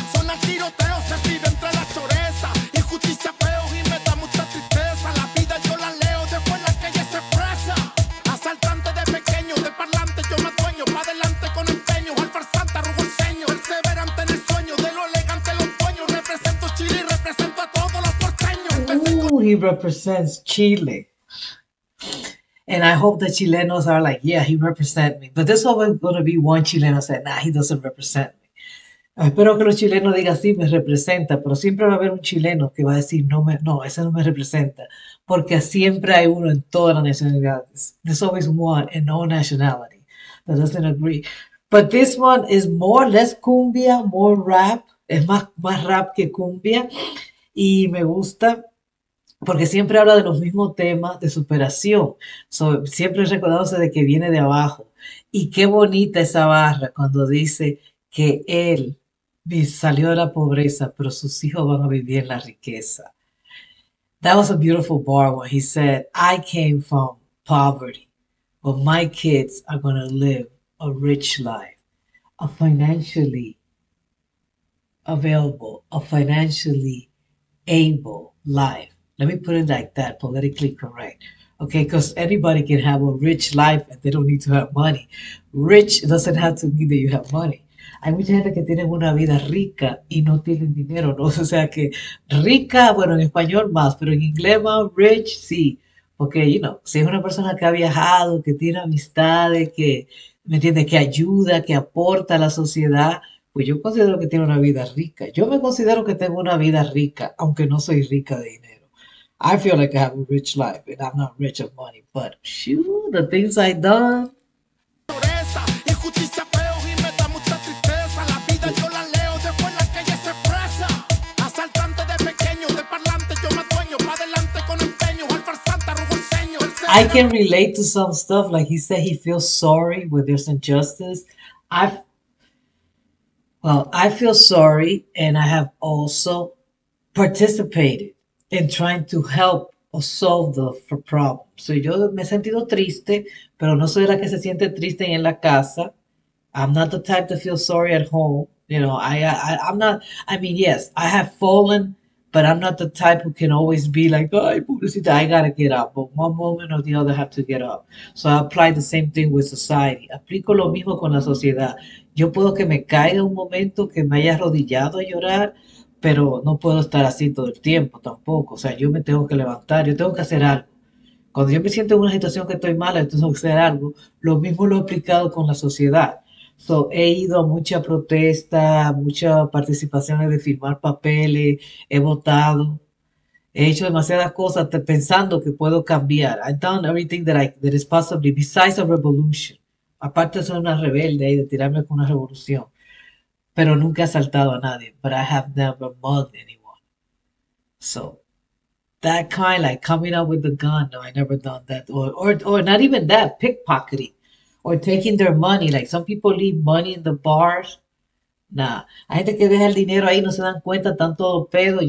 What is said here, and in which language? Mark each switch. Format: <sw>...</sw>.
<es>Son el tiroteo, se vive entre la choreza. Injusticia veo y me da mucha tristeza. La vida yo la leo, después la calle se expresa. Asaltante de pequeño, de parlante yo me adueño. Pa' adelante con empeño, al farsante arrugo el ceño. Perseverante en el sueño, de lo elegante los dueños. Represento Chile y represento a todos los porteños.</es> <en>He represents Chile, and I hope the Chilenos are like, yeah, he represents me. But there's always going to be one Chileno said, nah, he doesn't represent me.</en> <es>Espero que los chilenos digan sí, me representa, pero siempre va a haber un chileno que va a decir no, me, no, ese no me representa, porque siempre hay uno en todas las nacionalidades.</es> <en>There's always one in all nationality that doesn't agree. But this one is more less cumbia, more rap.</en> <es>Es más rap que cumbia, y me gusta. Porque siempre habla de los mismos temas de superación. So, siempre recordándose de que viene de abajo. Y qué bonita esa barra cuando dice que él salió de la pobreza, pero sus hijos van a vivir en la riqueza.</es> <en>That was a beautiful bar when he said, I came from poverty, but my kids are going to live a rich life, a financially available, a financially able life. Let me put it like that, politically correct. Okay, because anybody can have a rich life and they don't need to have money. Rich doesn't have to mean that you have money.</en> <es>Hay mucha gente que tiene una vida rica y no tienen dinero, ¿no? O sea que rica, bueno, en español más, pero en inglés más, rich, sí. Porque,</es> <en>you know,</en> <es>si es una persona que ha viajado, que tiene amistades, que, ¿me entiendes? Que ayuda, que aporta a la sociedad, pues yo considero que tiene una vida rica. Yo me considero que tengo una vida rica, aunque no soy rica de dinero.</es> <en>I feel like I have a rich life, and I'm not rich of money, but shoo, the things I done. I can relate to some stuff, like he said he feels sorry when there's injustice. I feel sorry, and I have also participated and trying to help or solve the problem.</en> <es>So yo me he sentido triste, pero no soy la que se siente triste en la casa.</es> <en>I'm not the type to feel sorry at home. You know, I mean, yes, I have fallen, but I'm not the type who can always be like,</en> <es>ay, pobrecita,</es> <en>I gotta get up. But one moment or the other, I have to get up. So I apply the same thing with society.</en> <es>Aplico lo mismo con la sociedad. Yo puedo que me caiga un momento, que me haya arrodillado a llorar, pero no puedo estar así todo el tiempo tampoco. O sea, yo me tengo que levantar, yo tengo que hacer algo. Cuando yo me siento en una situación que estoy mala, yo tengo que hacer algo. Lo mismo lo he aplicado con la sociedad. So, he ido a mucha protesta, muchas participaciones de firmar papeles, he votado, he hecho demasiadas cosas pensando que puedo cambiar.</es> <en>I've done everything that is possible besides a revolution.</en> <es>Aparte de ser una rebelde y de tirarme con una revolución. Pero nunca he asaltado a nadie.</es> <en>But I have never mugged anyone. So that kind, like coming up with the gun. No, I never done that. Or not even that, pickpocketing or taking their money. Like some people leave money in the bars.</en> <es>Nah, hay gente que deja el dinero ahí, no se dan cuenta, están todos pedos.</es>